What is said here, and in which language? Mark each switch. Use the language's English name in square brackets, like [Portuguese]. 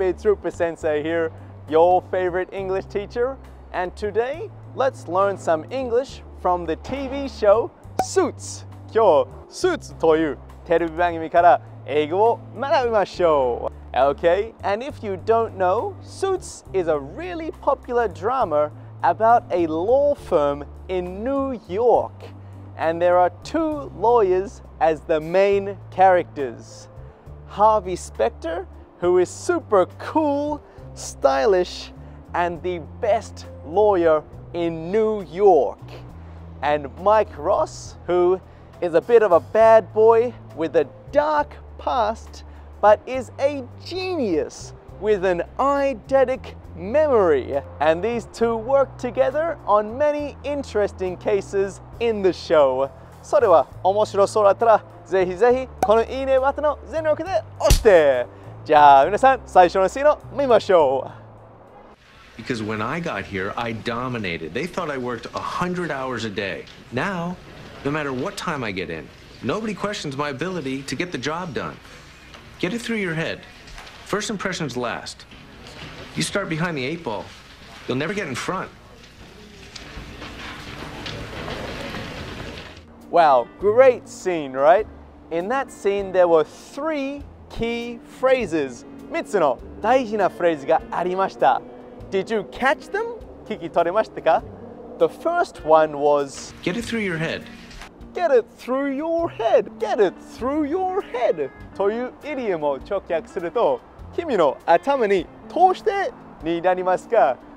[English] It's Rupa Sensei here, your favorite English teacher. And today, let's learn some English from the TV show Suits. [Japanese] 今日、Suits というテレビ番組から英語を学びましょう。 [English] Okay, and if you don't know, Suits is a really popular drama about a law firm in New York. And there are two lawyers as the main characters. Harvey Specter, who is super cool, stylish, and the best lawyer in New York. And Mike Ross, who is a bit of a bad boy with a dark past, but is a genius with an eidetic memory. And these two work together on many interesting cases in the show. [Japanese] それは面白そうだったら、ぜひぜひこのいいねボタンを全力で押して。じゃあ皆さん、最初のシーンを見ましょう。 [English] Because when I got here, I dominated. They thought I worked 100 hours a day. Now, no matter what time I get in, nobody questions my ability to get the job done. Get it through your head. First impressions last. You start behind the eight ball, you'll never get in front. Wow, great scene, right? In that scene, there were three key phrases. [Japanese] 3つの大事なフレーズがありました。 [English] Did you catch them? [Japanese] 聞き取りましたか? [English] The first one was... Get it through your head. Get it through your head. Get it through your head. [Japanese] というイディオムを直訳すると、君の頭に通してになりますか?